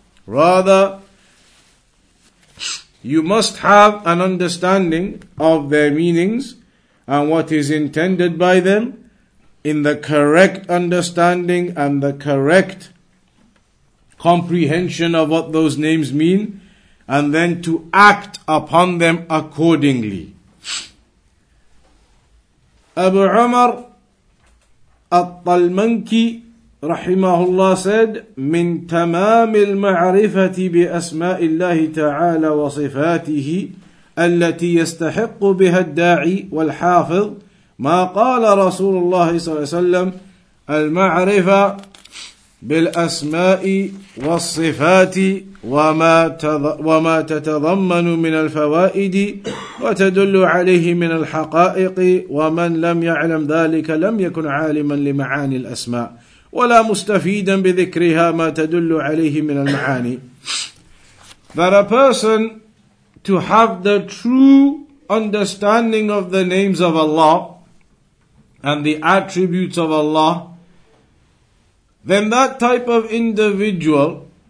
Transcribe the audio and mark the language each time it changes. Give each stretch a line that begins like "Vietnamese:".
English: Rather, you must have an understanding of their meanings and what is intended by them, in the correct understanding and the correct comprehension of what those names mean, and then to act upon them accordingly.
Arabic: Abu Umar al-Talmanki rahimahullah said, "Min tamam al-ma'rifati bi asma'i Allah ta'ala wa sifatihi التي يستحق بها الداعي والحافظ ما قال رسول الله صلى الله عليه وسلم المعرفة بالأسماء والصفات وما تتضمن من الفوائد وتدل عليه من الحقائق ومن لم يعلم ذلك لم يكن عالما لمعاني الأسماء ولا مستفيدا بذكرها ما تدل عليه من المعاني.
English: That a person to have the true understanding of the names of Allah and the attributes of Allah, then that type of individual,